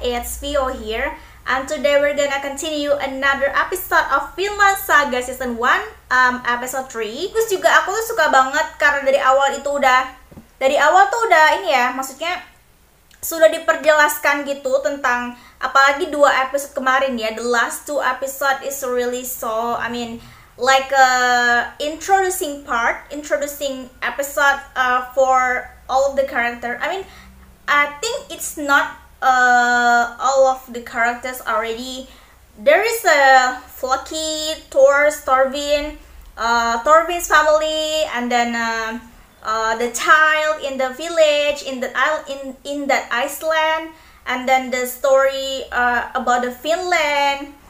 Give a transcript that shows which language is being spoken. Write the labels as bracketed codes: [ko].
[en] It's Vio here, and today we're gonna continue another episode of Vinland Saga Season 1, episode 3. [id] Terus juga aku tuh suka banget karena dari awal tuh udah ini ya, maksudnya sudah diperjelaskan gitu tentang apalagi dua episode kemarin ya. [en] The last two episode is really so, I mean, like a introducing episode for all of the character. I mean, I think it's not all of the characters already. There is a Flocky, Thor, Thorfinn, Thorfinn's family, and then the child in the village in that Iceland, and then the story about the Finland.